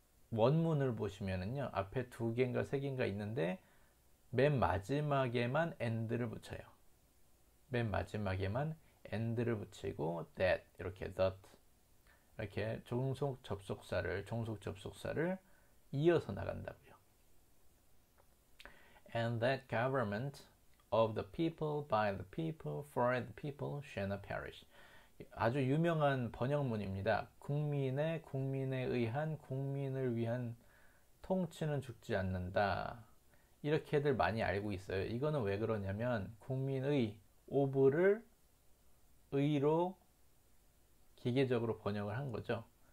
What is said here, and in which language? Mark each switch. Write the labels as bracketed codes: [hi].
[ko] 원문을 보시면은요, 앞에 두 개인가 세 개인가 있는데, 맨 마지막에만 and를 붙여요. 맨 마지막에만 and를 붙이고, that, 이렇게, that. 이렇게 종속 접속사를 이어서 나간다고요. [en] And that government of the people, by the people, for the people shall not perish. [ko] 아주 유명한 번역문입니다. 국민에 의한 국민을 위한 통치는 죽지 않는다. 이렇게들 많이 알고 있어요. 이거는 왜 그러냐면, 국민의, of를 의로 기계적으로 번역을 한 거죠.